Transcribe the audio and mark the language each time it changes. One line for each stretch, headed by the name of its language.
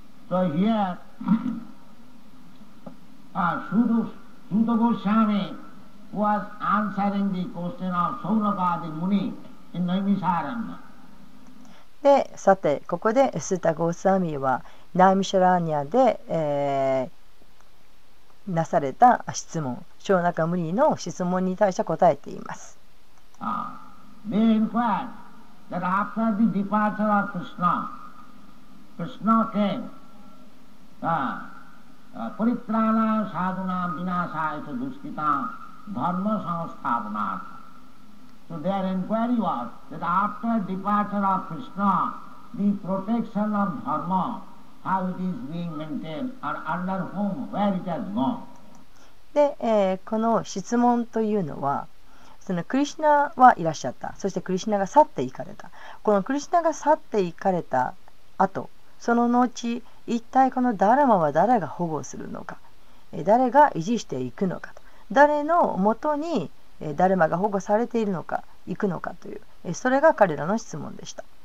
English: So here Sudha Goswami was answering the question of Saurabhadi Muni in Naimisharanya.
Japanese: で、さてここでスータゴースワミはナイミシャラーニャで、なされた質問、ショーナカムニの質問に対して答えています。
English: They inquired that after the departure of Krishna, Krishna came
Sanskrit: Paritrana Sadhana Vinasaita Duskita Dharma Sanstavana.
English: So their inquiry was that after departure of Krishna, the protection of Dharma, how it is being maintained and under whom, where it has gone.
Japanese: で、この質問というのは、そのクリシナはいらっしゃった、そしてクリシナが去っていかれた、このクリシナが去っていかれた後、その後一体このダルマは誰が保護するのか、誰が維持していくのかと、誰のもとにダルマが保護されているのか行くのかという、それが彼らの質問でした。